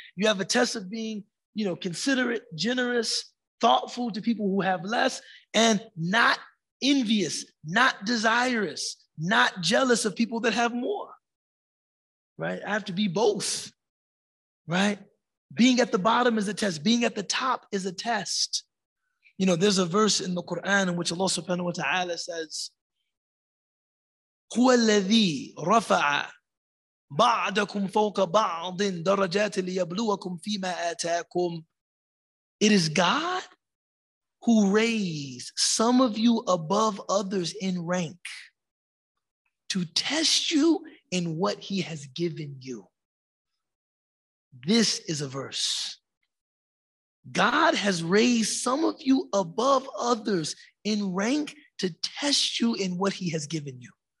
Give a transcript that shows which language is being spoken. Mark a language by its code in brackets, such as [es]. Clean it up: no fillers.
[en] You have a test of being, considerate, generous, thoughtful to people who have less, and not envious, not desirous, not jealous of people that have more, right? I have to be both, right? Being at the bottom is a test. Being at the top is a test. There's a verse in the Quran in which Allah subhanahu wa ta'ala says, [ar] هو الذي رفع بعضكم فوق بعض درجات ليبلوكم فيما آتاكم. [en] It is God who raised some of you above others in rank to test you in what he has given you. This is a verse. God has raised some of you above others in rank to test you in what he has given you.